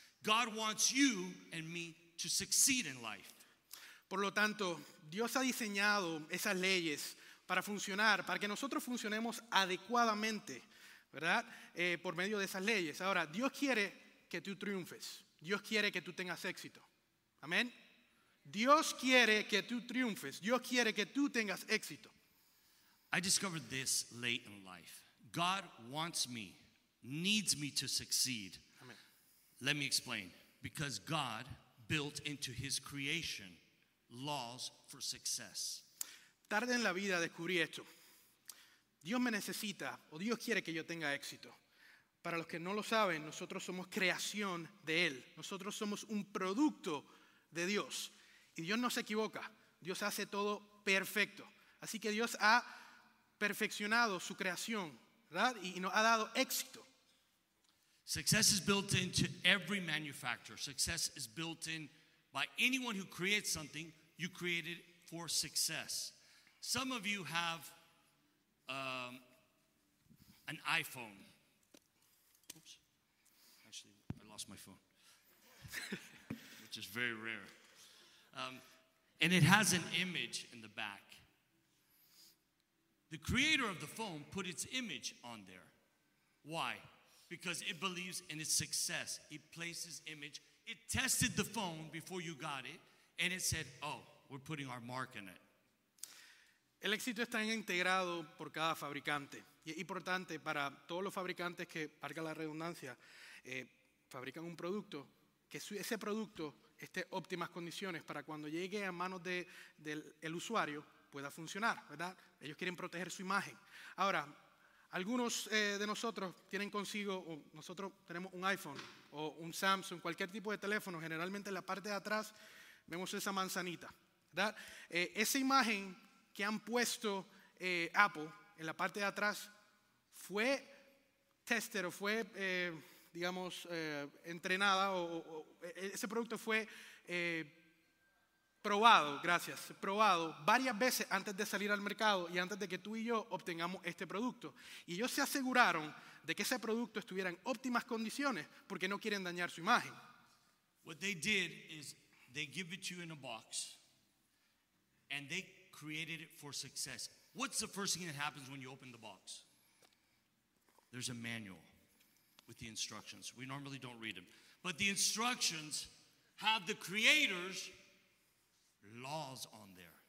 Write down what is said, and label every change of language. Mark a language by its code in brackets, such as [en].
[en] God wants you and me to succeed in life. [es] Por lo tanto, Dios ha diseñado esas leyes para funcionar, para que nosotros funcionemos adecuadamente, ¿verdad? Por medio de esas leyes. Ahora, Dios quiere que tú triunfes. Dios quiere que tú tengas éxito. Amén. Dios quiere que tú triunfes. Dios quiere que tú tengas éxito. [en] I discovered this late in life. God wants me, needs me to succeed. Amen. Let me explain. Because God built into his creation laws for success. [es] Tarde en la vida descubrí esto. Dios me necesita, o Dios quiere que yo tenga éxito. Para los que no lo saben, nosotros somos creación de él. Nosotros somos un producto de Dios. Y Dios no se equivoca. Dios hace todo perfecto. Así que Dios ha perfeccionado su creación, ¿verdad? Y nos ha dado éxito. [en] Success is built into every manufacturer. Success is built in by anyone who creates something. You created for success. Some of you have an iPhone. Oops. Actually, I lost my phone, which is very rare. And it has an image in the back. The creator of the phone put its image on there. Why? Because it believes in its success. It placed its image. It tested the phone before you got it, and it said, oh, we're putting our mark in it. [es] El éxito está integrado por cada fabricante. Y es importante para todos los fabricantes que, valga la redundancia, fabrican un producto, que ese producto esté en óptimas condiciones para cuando llegue a manos del usuario pueda funcionar, ¿verdad? Ellos quieren proteger su imagen. Ahora, algunos de nosotros tienen consigo, o nosotros tenemos un iPhone o un Samsung, cualquier tipo de teléfono, generalmente en la parte de atrás vemos esa manzanita, ¿verdad? Esa imagen que han puesto Apple en la parte de atrás fue tester o fue, digamos, entrenada, o ese producto fue probado varias veces antes de salir al mercado y antes de que tú y yo obtengamos este producto. Y ellos se aseguraron de que ese producto estuviera en óptimas condiciones porque no quieren dañar su imagen. [en] What they did is they give it to you in a box and they created it for success. What's the first thing that happens when you open the box? There's a manual with the instructions. We normally don't read them. But the instructions have the creator's laws on there.